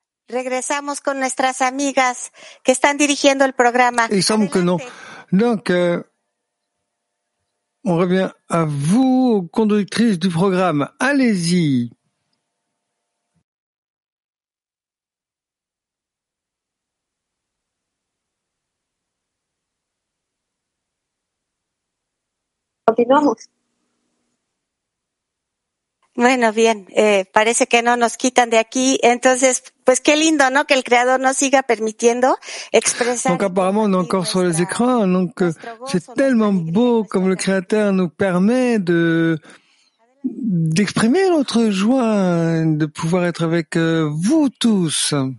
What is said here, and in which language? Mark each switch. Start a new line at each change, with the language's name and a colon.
Spanish: Regresamos con nuestras amigas que están dirigiendo el programa.
French: Il semble que non. Donc, on revient à vous, conductrices du programme. Allez-y.
Spanish: Continuamos. Bueno, bien, parece que no nos quitan de aquí. Entonces, pues qué lindo, ¿no? Que el Creador nos siga permitiendo expresar.
French: Donc, apparemment, on est encore sur les écrans. Donc, c'est tellement beau comme le Créateur nous permet de, d'exprimer notre joie, de pouvoir être avec vous tous.